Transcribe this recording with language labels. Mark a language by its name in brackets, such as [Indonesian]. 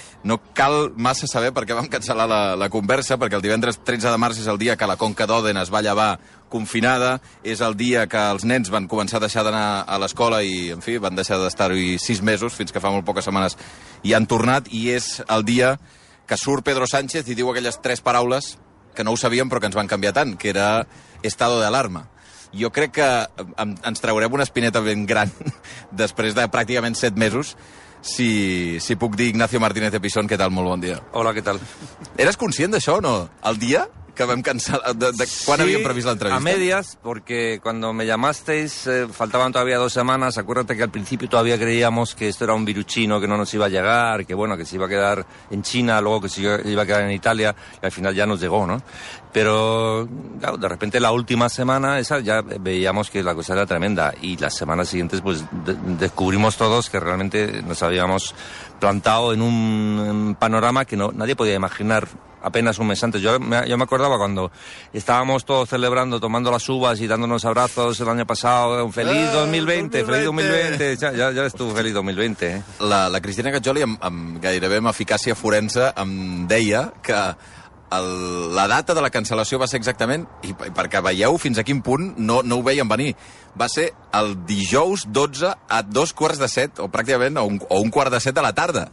[Catalan] No cal massa saber per què vam cancel·lar la conversa, perquè el divendres 13 de març és el dia que la Conca d'Òdena es va llevar confinada, és el dia que els nens van començar a deixar d'anar a l'escola i, en fi, van deixar d'estar-hi 6 mesos, fins que fa molt poques setmanes hi han tornat, i és el dia que surt Pedro Sánchez i diu aquelles 3 paraules que no ho sabíem però que ens van canviar tant, que era [Spanish] estado de alarma. [Catalan] Jo crec que ens traurem una espineta ben gran després de pràcticament 7 mesos, si puc dir Ignacio Martínez de Pisón. Què tal? Molt bon dia. Hola, què tal? Eres conscient d'això o no? El dia que vam cancel·lar, de quan sí, havíem previst l'entrevista? [Spanish] A medias, porque cuando me llamasteis faltaban todavía 2 semanas. Acuérdate que al principio todavía creíamos que esto era un virus chino, que no nos iba a llegar, que bueno, que se iba a quedar en China, luego que se iba a quedar en Italia, y al final ya nos llegó, ¿no? Pero claro, de repente la última semana esa ya veíamos que la cosa era tremenda, y las semanas siguientes pues descubrimos todos que realmente nos habíamos plantado en un panorama que nadie podía imaginar apenas un mes antes. Yo me acordaba cuando estábamos todos celebrando, tomando las uvas y dándonos abrazos el año pasado. ¡Feliz 2020! Ya estuvo feliz 2020. [Catalan] La Cristina Gajoli, amb gairebé amb eficàcia forense, em deia que la data de la cancel·lació va ser exactament, i perquè veieu fins a quin punt no ho veiem venir, va ser el dijous 12 a 6:45, o pràcticament a un 6:45 de la tarda.